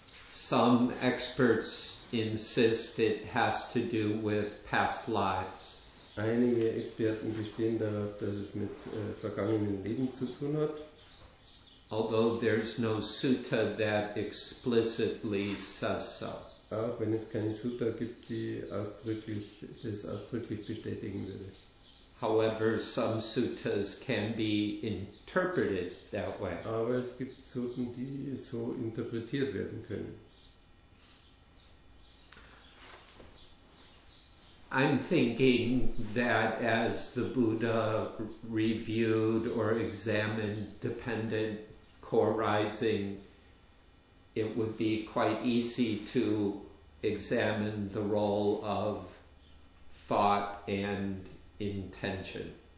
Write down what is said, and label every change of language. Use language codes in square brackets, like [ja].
[en] Some experts insist it has to do with past lives. [de] Einige Experten bestehen darauf, dass es mit vergangenen Leben zu tun hat. [en] Although there's no sutta that explicitly says so. [de] Auch wenn es keine Sutta gibt, die das ausdrücklich bestätigen würde. [en] However, some suttas can be interpreted that way. [de] Aber es gibt Sutten, die so interpretiert werden können. [en] I'm thinking that as the Buddha reviewed or examined dependent core rising, it would be quite easy to examine the role of thought and intention.